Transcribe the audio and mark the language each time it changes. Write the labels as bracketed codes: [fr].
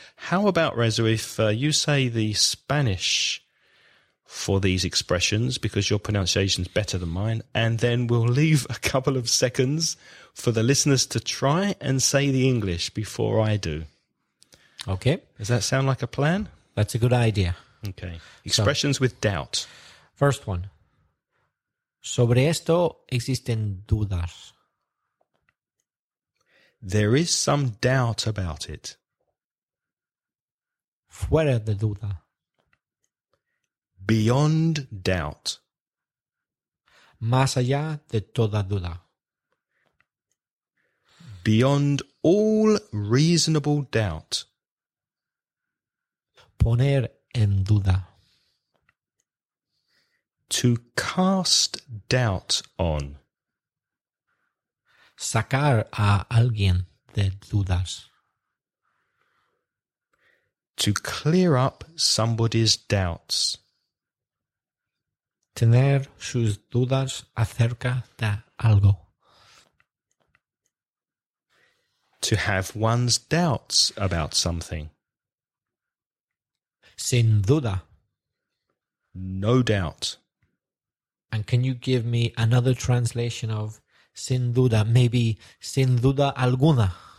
[en] How about, Reza, if you say the Spanish for these expressions, because your pronunciation is better than mine, and then we'll leave a couple of seconds for the listeners to try and say the English before I do. Okay. Does that sound like a plan? That's a good idea. Okay. Expressions with doubt. First one. [es] Sobre esto existen dudas. [en] There is some doubt about it. [es] Fuera de duda. [en] Beyond doubt. [es] Más allá de toda duda. [en] Beyond all reasonable doubt. [es] Poner en duda. [en] To cast doubt on. [es] Sacar a alguien de dudas. [en] To clear up somebody's doubts. [es] Tener sus dudas acerca de algo. [en] To have one's doubts about something. [es] Sin duda. [en] No doubt. And can you give me another translation of [es] sin duda? [en] Maybe [es] sin duda alguna.